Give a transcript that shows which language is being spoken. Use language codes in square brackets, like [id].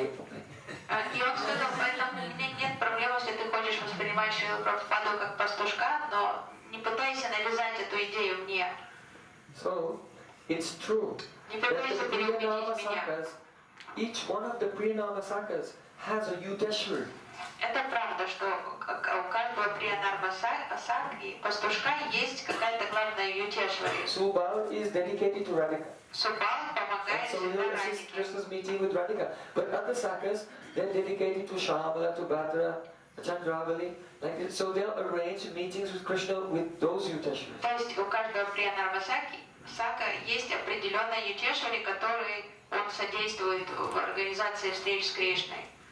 [en] opinion. So, it's true that the Priyanamasakas, each one of the Priyanamasakas has a Yudeshwar [ru] Это правда, что у каждого приянарма сакхи пастушка есть какая-то главная ютешвари. [en] Subal is dedicated to Radhika. [ru] Subal помогает всегда Радхике. [en] So Krishna's meeting with Radhika, but other sakhas they're dedicated to Shyamala, to Bhadra, Chandravali, like this. So they'll arrange meetings with Krishna with those ютешвари. [ru] То есть у каждого приянарма сакха есть определенная ютешвари, которой он содействует в организации встреч с Кришной.